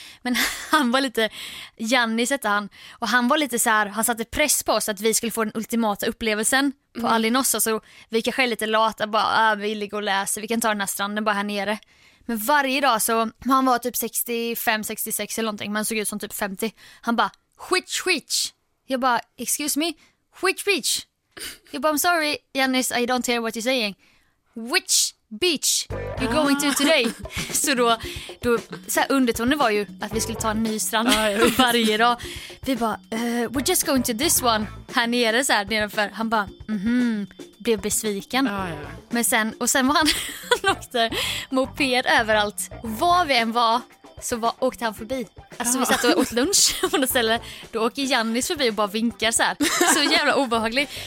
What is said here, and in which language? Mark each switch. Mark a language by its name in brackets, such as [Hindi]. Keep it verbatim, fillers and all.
[Swedish] Men han var lite, Jannis hette han. Och han var lite så här, han satte press på oss att vi skulle få den ultimata upplevelsen på mm. Alinossa. Så vi kanske är lite lata, bara, äh, vi ligger och läser, vi kan ta den här stranden bara här nere. Men varje dag så, han var typ sextiofem sextiosex eller någonting, men han såg ut som typ femtio. Han bara, skitch, skitch. Jag bara, [English] excuse me, [Swedish] skitch, skitch. Jag bara, [English] I'm sorry, Jannis, I don't hear what you're saying. Which beach you're going to today? [Swedish] Så då, då så här, undertonen var ju att vi skulle ta en ny strand varje dag. Vi bara, [English] uh, we're just going to this one. [Swedish] Här nere så här nedanför. Han bara, mhm, blev besviken. Ah, ja. Men sen, och sen var han, han åkte moped överallt. Var vi än var, så var, åkte han förbi. Alltså vi satt och åt lunch på något ställe. Då åker Jannis förbi och bara vinkar så här. Så jävla obehaglig.